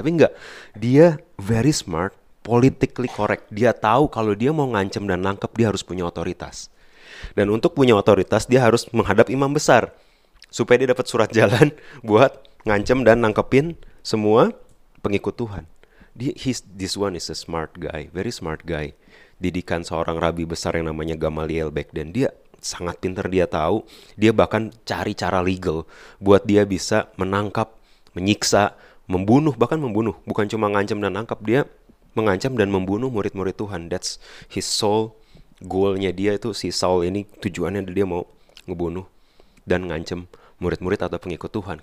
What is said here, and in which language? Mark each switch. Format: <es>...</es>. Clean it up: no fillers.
<id>Tapi enggak, dia</id> <en>very smart, politically correct.</en> <id>Dia tahu kalau dia mau ngancem dan nangkep, dia harus punya otoritas. Dan untuk punya otoritas, dia harus menghadap imam besar supaya dia dapat surat jalan buat ngancem dan nangkepin semua pengikut Tuhan.</id> <en>This one is a smart guy, very smart guy.</en> <id>Didikan seorang rabi besar yang namanya Gamaliel</id> <en>back then.</en> <id>Dia sangat pintar, dia tahu. Dia bahkan cari cara legal buat dia bisa menangkap, menyiksa, membunuh, bahkan membunuh. Bukan cuma ngancem dan nangkap, dia mengancam dan membunuh murid-murid Tuhan.</id> <en>That's his soul goal-nya</en> <id>dia itu, si Saul ini tujuannya dia mau ngebunuh dan ngancam murid-murid atau pengikut Tuhan.</id>